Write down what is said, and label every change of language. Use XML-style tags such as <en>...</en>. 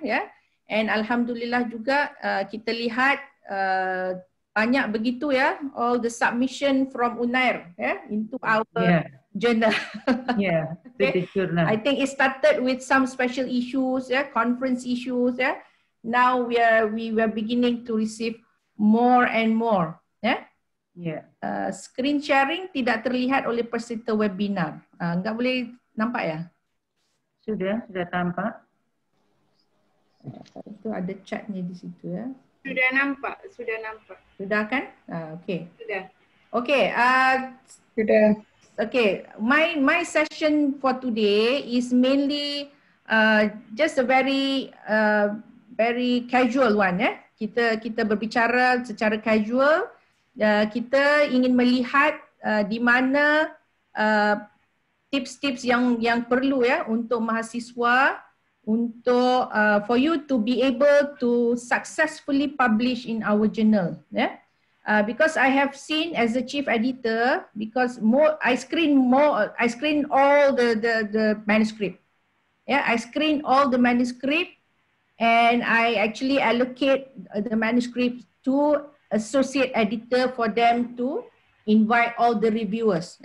<en>Yeah, and alhamdulillah</en> <id>juga kita lihat banyak begitu ya,</id> <en>all the submission from UNAIR into our journal. Okay. I think it started with some special issues, conference issues. Yeah. Now we are beginning to receive more and more. Yeah. Yeah.</en> <id>Screen sharing tidak terlihat oleh peserta webinar. Enggak boleh nampak ya? Sudah tampak. Itu ada chatnya di situ ya. Sudah nampak. Sudah kan? Okay. Sudah.</id> <en>Okay.</en> <id>Sudah.</id> <en>Okay, my session for today is mainly just a very very casual one.</en> <id>Yeah, kita berbicara secara casual. Kita ingin melihat di mana tips yang perlu ya untuk mahasiswa untuk</id> <en>for you to be able to successfully publish in our journal. Yeah. Because I have seen as a chief editor, because I screen all the manuscript. Yeah, I screen all the manuscript, and I actually allocate the manuscript to associate editor for them to invite all the reviewers.</en>